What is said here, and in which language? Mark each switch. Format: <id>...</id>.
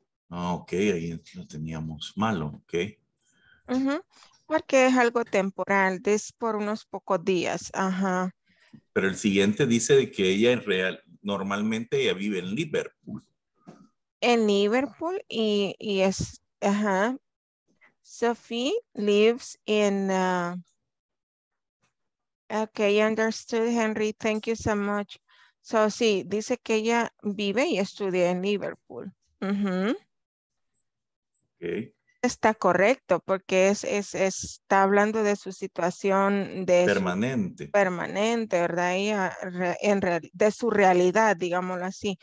<es>Okay, ahí lo teníamos malo, okay. Porque es algo temporal, es por unos pocos días. Ajá. Pero el siguiente dice que ella en real, normalmente ella vive en Liverpool. En Liverpool y es, ajá.</es> <en>Sophie lives in, okay, understood, Henry, thank you so much.</en> <es>So, sí, dice que ella vive y estudia en Liverpool.</es> <en>Okay.</en> <es>Está correcto porque es está hablando de su situación de permanente, ¿verdad? Y de su realidad, digámoslo así.</es>